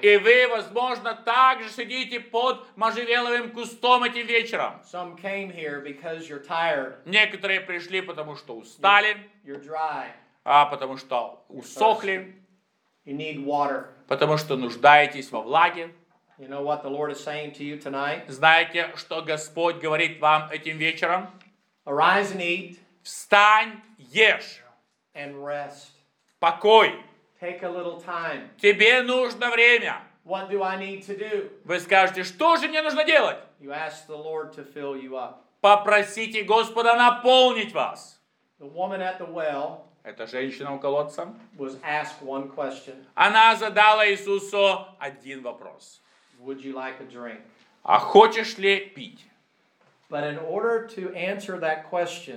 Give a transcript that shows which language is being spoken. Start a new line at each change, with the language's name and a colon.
Russian: И вы, возможно, также сидите под можжевеловым кустом этим вечером.
English: Some came here because you're tired.
Russian: Некоторые пришли, потому что устали.
English: You're dry.
Russian: Потому что усохли.
English: You need water.
Russian: Потому что нуждаетесь во влаге.
English: You know what the Lord is saying to you tonight?
Russian: Знаете, что Господь говорит вам этим вечером?
English: Arise and eat.
Russian: Встань, ешь.
English: And rest.
Russian: Покой.
English: Take a little time.
Russian: Тебе нужно время.
English: What do I need to do?
Russian: Вы скажете, что же мне нужно делать?
English: You ask the Lord to fill you up.
Russian: Попросите Господа наполнить вас.
English: The woman at the well.
Russian: Эта женщина у колодца.
English: Was asked one question.
Russian: Она задала Иисусу один вопрос.
English: Would you like a drink?
Russian: А хочешь ли пить?
English: But in order to answer that question,